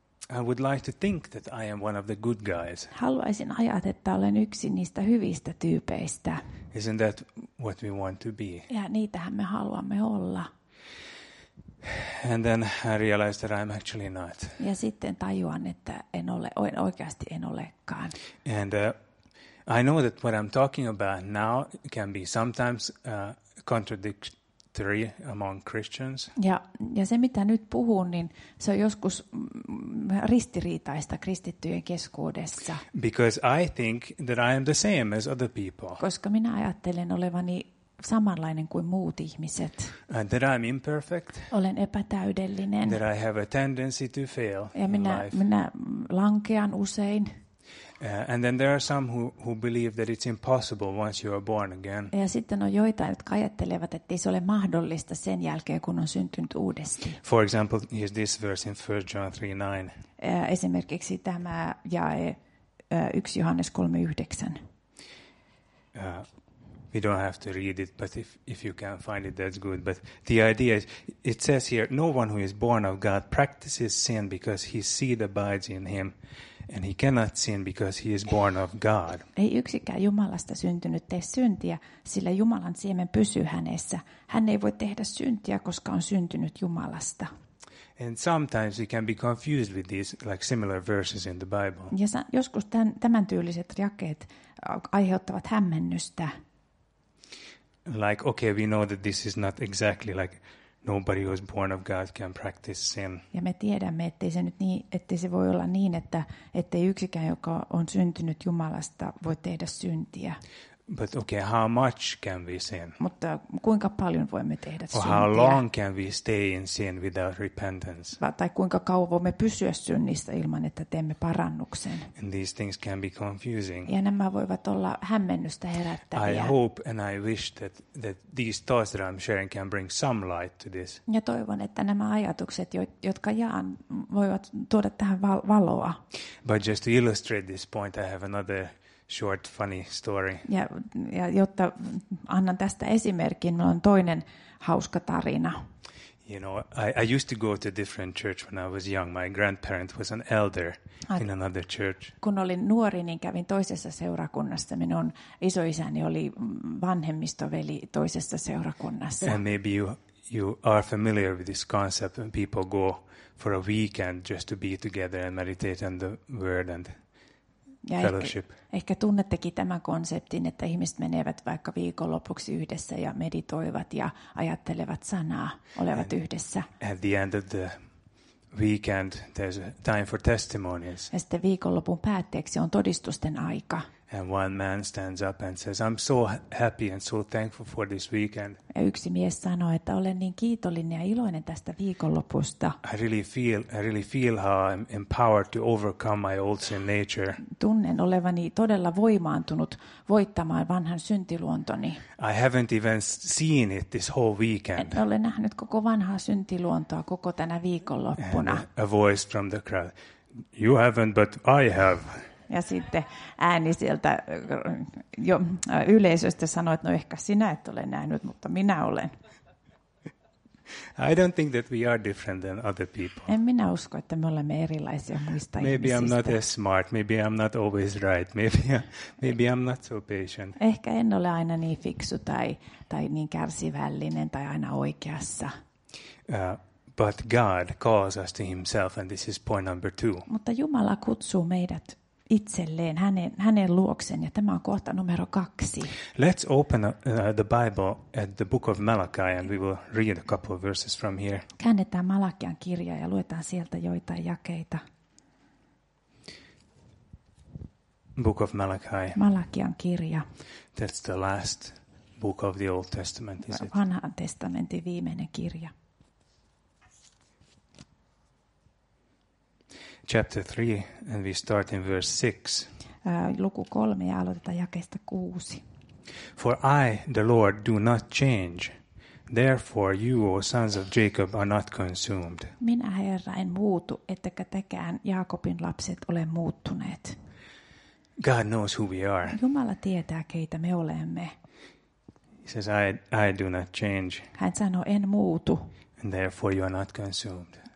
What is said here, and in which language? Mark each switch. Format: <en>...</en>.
<en>I would like to think that I am one of the good guys.</en> <fi>Haluaisin ajatella, että olen yksi niistä hyvistä tyypeistä.</fi> <en>Isn't that what we want to be?</en> <fi>Ja niitähän me haluamme olla.</fi> <en>And then I realized that I'm actually not.</en> <fi>Ja sitten tajuan, että en ole, oikeasti en olekaan.</fi> <en>And I know that what I'm talking about now can be sometimes contradictory among Christians.</en> <fi>Ja se mitä nyt puhun, niin se on joskus ristiriitaista kristittyjen keskuudessa.</fi> <en>Because I think that I am the same as other people.</en> <fi>Koska minä ajattelen olevani samanlainen kuin muut ihmiset.</fi> <en>That I'm imperfect.</en> <fi>Olen epätäydellinen.</fi> <en>That I have a tendency to fail.</en> <fi>Ja minä lankean usein.</fi> <en>And then there are some who believe that it's impossible once you are born again.</en> <fi>Ja sitten on joitain, jotka ajattelevat, että se ole mahdollista sen jälkeen, kun on syntynyt uudesti.</fi> <en>For example, here's this verse in 1 John 3:9.</en> <fi>Esimerkiksi tämä jae 1 Johannes 3:9.</fi> <en>We don't have to read it, but if you can find it, that's good. But the idea is, it says here, no one who is born of God practices sin because his seed abides in him, and he cannot sin because he is born of God.</en> <fi>Ei yksikään Jumalasta syntynyt tee syntiä, sillä Jumalan siemen pysyy hänessä. Hän ei voi tehdä syntiä, koska on syntynyt Jumalasta.</fi> <en>And sometimes we can be confused with these like similar verses in the Bible.</en> <fi>Ja joskus tämän tyyliset jakeet aiheuttavat hämmennystä.</fi> <en>Like okay, we know that this is not exactly like nobody who is born of God can practice sin.</en> <fi>Ja me tiedämme, ettei se nyt niin, ettei se voi olla niin, että ettei yksikään, joka on syntynyt Jumalasta, voi tehdä syntiä.</fi> <en>But okay, how much can we sin?</en> <fi>Mutta kuinka paljon voimme tehdä syntiä?</fi> <en>Or how long can we stay in sin without repentance?</en> <fi>Tai kuinka kauan voimme pysyä synnissä ilman, että teemme parannuksen?</fi> <en>And these things can be confusing.</en> <fi>Ja nämä voivat olla hämmennystä herättäviä.</fi> <en>I hope and I wish that these thoughts that I'm sharing can bring some light to this.</en> <fi>Ja toivon, että nämä ajatukset, jotka jaan, voivat tuoda tähän valoa.</fi> <en>But just to illustrate this point, I have another short funny story.</en> <fi>Ja jotta annan tästä esimerkin, minulla on toinen hauska tarina.</fi> <en>You know, I used to go to a different church when I was young. My grandparent was an elder in another church.</en> <fi>Kun olin nuori, niin kävin toisessa seurakunnassa. Minun isoisäni oli vanhemmistoveli toisessa seurakunnassa.</fi> <en>And maybe you are familiar with this concept when people go for a weekend just to be together and meditate on the word and</en> <fi>ja ehkä tunnettekin tämän konseptin, että ihmiset menevät vaikka viikonlopuksi yhdessä ja meditoivat ja ajattelevat sanaa, olevat</fi> <en>and</en> <fi>yhdessä.</fi> <en>At the end of the weekend there's a time for testimonies.</en> <fi>Ja sitten viikonlopun päätteeksi on todistusten aika.</fi> <en>And one man stands up and says, I'm so happy and so thankful for this weekend.</en> <fi>Ja yksi mies sanoo, että olen niin kiitollinen ja iloinen tästä viikonlopusta.</fi> <en>I really feel how I'm empowered to overcome my old sin nature.</en> <fi>Tunnen olevani todella voimaantunut voittamaan vanhan syntiluontoni.</fi> <en>I haven't even seen it this whole weekend.</en> <fi>En ole nähnyt koko vanhaa syntiluontoa koko tänä viikonloppuna.</fi> <en>And a voice from the crowd. You haven't, but I have.</en> <fi>Ja sitten ääni sieltä jo yleisöstä sanoi, että no ehkä sinä et ole nähnyt, mutta minä olen.</fi> <en>I don't think that we are different than other people.</en> <fi>En minä usko, että me olemme erilaisia muista</fi> <en>maybe</en> <fi>ihmisistä.</fi> <en>Maybe I'm not as smart, maybe I'm not always right, maybe I'm not so patient.</en> <fi>Ehkä en ole aina niin fiksu tai niin kärsivällinen tai aina oikeassa.</fi> <en>But God calls us to himself and this is point number two.</en> <fi>Mutta Jumala kutsuu meidät itselleen, hänen luokseen, ja tämä on kohta numero 2.</fi> <en>Let's open the Bible at the book of Malachi and we will read a couple of verses from here.</en> <fi>Käännetään Malakian kirja ja luetaan sieltä joitain jakeita.</fi> <en>Book of Malachi.</en> <fi>Malakian kirja.</fi> <en>That's the last book of the Old Testament, is it?</en> <fi>Vanhan testamentin viimeinen kirja.</fi> <en>Chapter 3, and we start in verse 6.</en> <fi>Luku 3 ja aloitetaan jakeesta 6.</fi> <en>For I, the Lord, do not change. Therefore you, O sons of Jacob, are not consumed.</en> <fi>Minä, Herra, en muutu, ettekä tekään Jaakobin lapset ole muuttuneet.</fi> <en>God knows who we are.</en> <fi>Jumala tietää, keitä me olemme.</fi> <en>He says, I do not change.</en> <fi>Hän sanoo, en muutu.</fi> <en>And therefore you are not consumed.</en>